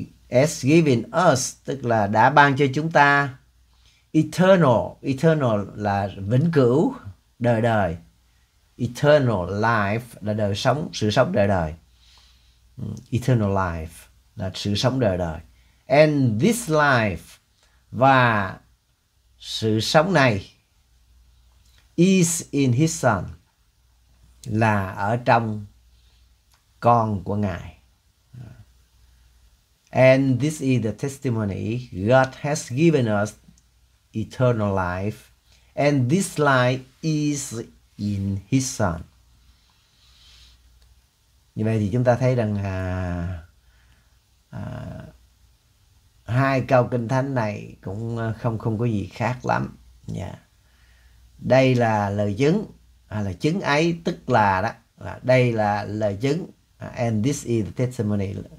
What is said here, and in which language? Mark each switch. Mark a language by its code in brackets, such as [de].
[en] has given us [vi] tức là đã ban cho chúng ta, eternal, eternal là vĩnh cửu, đời đời, eternal life là đời sống, sự sống đời đời, eternal life là sự sống đời đời, [en] and this life, [vi] và sự sống này, [en] is in His Son, [vi] là ở trong con của Ngài. [en] And this is the testimony God has given us eternal life, and this life is in His Son. [vi] Như vậy thì chúng ta thấy rằng hai câu kinh thánh này cũng không có gì khác lắm nha. Đây là lời chứng, là chứng ấy, tức là đó, là đây là lời chứng, [en] and this is the testimony.